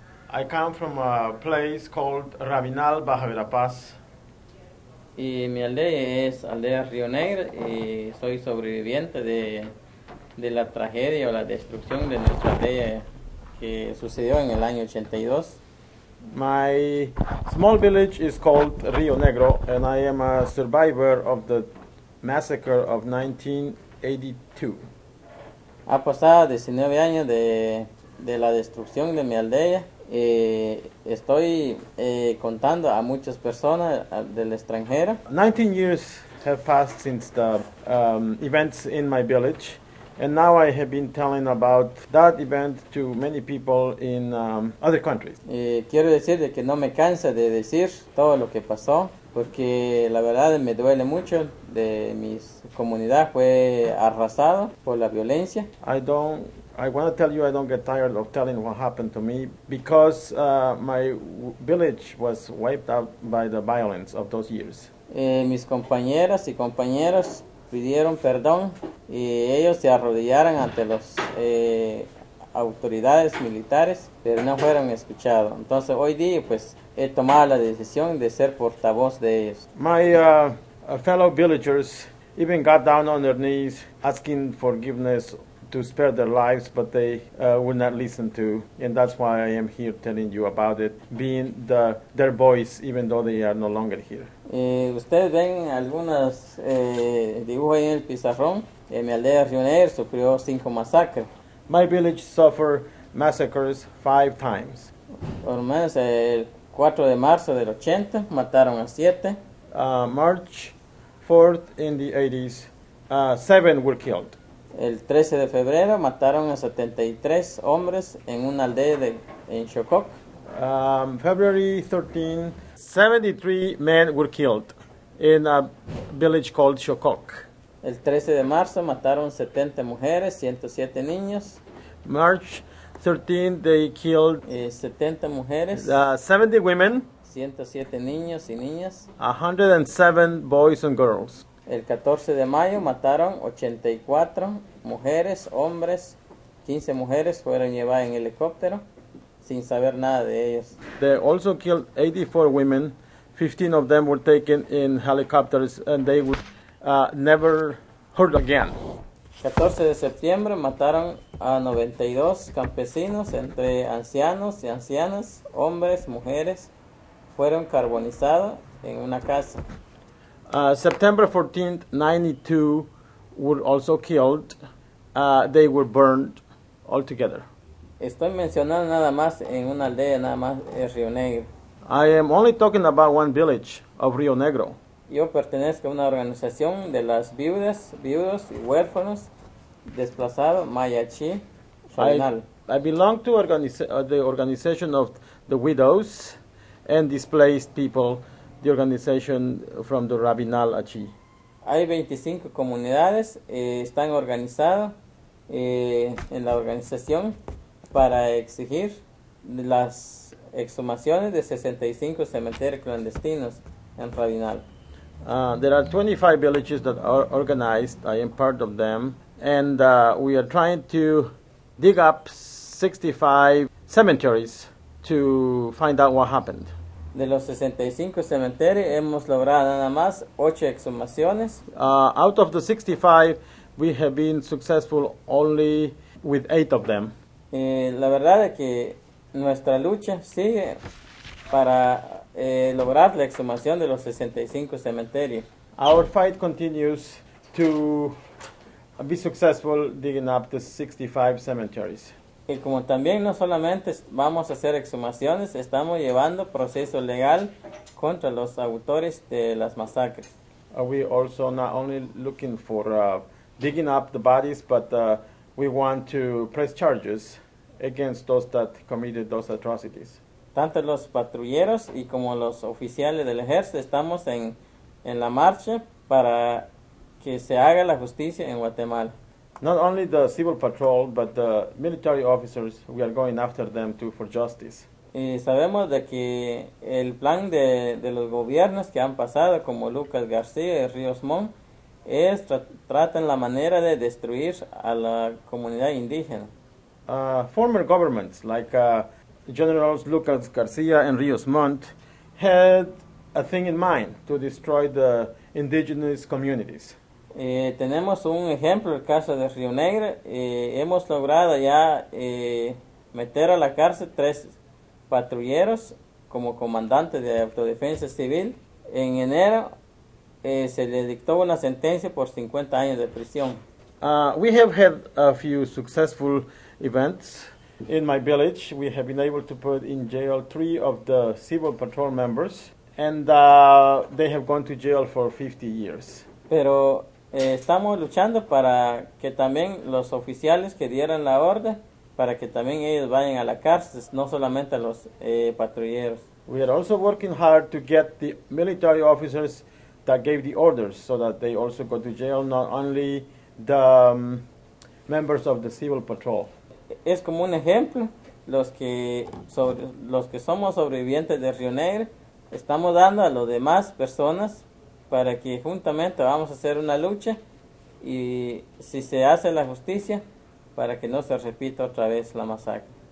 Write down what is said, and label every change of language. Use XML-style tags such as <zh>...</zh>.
<en>I come from a place called Rabinal Baja Verapaz.</en> <es>Y mi aldea es aldea Río Negro y soy sobreviviente de la tragedia o la destrucción de nuestra aldea que sucedió en el año 82.</es> <en>My small village is called Río Negro and I am a survivor of the massacre of 1982.</en> <es>Ha pasado 19 años de la destrucción de mi aldea. Estoy contando a muchas personas del extranjero.</es> <en>19 years have passed since the events in my village, and now I have been telling about that event to many people in other countries.</en> <es>Quiero decir de que no me canso de decir todo lo que pasó, porque la verdad me duele mucho de mi comunidad fue arrasada por la violencia.</es> <en>I want to tell you I don't get tired of telling what happened to me because my village was wiped out by the violence of those years.</en> <es>Mis compañeras y compañeros pidieron perdón y ellos se arrodillaron ante los autoridades militares, pero no fueron escuchados. Entonces hoy día pues he tomado la decisión de ser portavoz de ellos.</es> <en>My fellow villagers even got down on their knees asking forgiveness to spare their lives, but they would not listen to. And that's why I am here telling you about it, being their voice, even though they are no longer here.</en> <es>Ustedes ven algunos dibujos ahí en el pizarrón. Mi aldea Río Negro sufrió 5 masacres.</es> <en>My village suffered massacres 5 times.</en> <es>Por lo menos el 4 de marzo del 80, mataron a 7.</es> <en>March 4th in the 80s, 7 were killed.</en> <es>El 13 de febrero mataron a 73 hombres en una aldea de en Shokok.</es> <en>February 13, 73 men were killed in a village called Shokok.</en> <es>El 13 de marzo mataron 70 mujeres, 107 niños.</es> <en>March 13, they killed</en> <es>70 mujeres,</es> <en>70 women,</en> <es>107 niños y niñas,</es> <en>107 boys and girls.</en> <es>El 14 de mayo mataron 84 mujeres, hombres, 15 mujeres fueron llevadas en helicóptero sin saber nada de ellos.</es> <en>They also killed 84 women, 15 of them were taken in helicopters and they were never heard again.</en> <es>14 de septiembre mataron a 92 campesinos entre ancianos y ancianas, hombres, mujeres, fueron carbonizados en una casa.</es> <en>September 14th, 92 were also killed. They were burned altogether.</en> <es>Estoy mencionando nada más en una aldea, nada más en Río Negro.</es> <en>I am only talking about one village of Río Negro.</en> <es>Yo pertenezco a una organización de las viudas, viudos y huérfanos desplazados, Mayachi, Final.</es> <en>I belong to the organization of the widows and displaced people, the organization from the Rabinal Achi.</en> <es>Hay 25 comunidades están organizadas en la organización para exigir las exhumaciones de 65 cementerios clandestinos en Rabinal.</es> <en>There are 25 villages that are organized. I am part of them. And we are trying to dig up 65 cemeteries to find out what happened.</en> <es>De los 65 cementerios hemos logrado nada más 8 exhumaciones.</es> <en>Out of the 65, we have been successful only with 8 of them.</en> <es>La verdad es que nuestra lucha sigue para lograr la exhumación de los 65 cementerios.</es> <en>Our fight continues to be successful digging up the 65 cemeteries.</en> <es>Y como también no solamente vamos a hacer exhumaciones, estamos llevando proceso legal contra los autores de las masacres.</es> <en>Are we also not only looking for digging up the bodies, but we want to press charges against those that committed those atrocities.</en> <es>Tanto los patrulleros y como los oficiales del ejército estamos en la marcha para que se haga la justicia en Guatemala.</es> <en>Not only the civil patrol, but the military officers, we are going after them too for justice.</en> <es>Y sabemos de que el plan de los gobiernos que han pasado, como Lucas García y Ríos Montt, es tratan la manera de destruir a la comunidad indígena.</es> <en>Former governments, like Generals Lucas García and Ríos Montt, had a thing in mind to destroy the indigenous communities.</en> <es>Tenemos un ejemplo, el caso de Río Negro. Hemos logrado ya meter a la cárcel 3 patrulleros como comandante de autodefensa civil. En enero se le dictó una sentencia por 50 años de prisión.</es> <en>We have had a few successful events in my village. We have been able to put in jail 3 of the civil patrol members and they have gone to jail for 50 years.</en> <es>Pero estamos luchando para que también los oficiales que dieran la orden, para que también ellos vayan a la cárcel, no solamente los patrulleros.</es> <en>We are also working hard to get the military officers that gave the orders so that they also go to jail, not only the members of the civil patrol.</en> <es>Es como un ejemplo, los que somos sobrevivientes de Río Negro, estamos dando a las demás personas para que juntamente vamos a hacer una lucha y si se hace la justicia, para que no se repita otra vez la masacre.</es>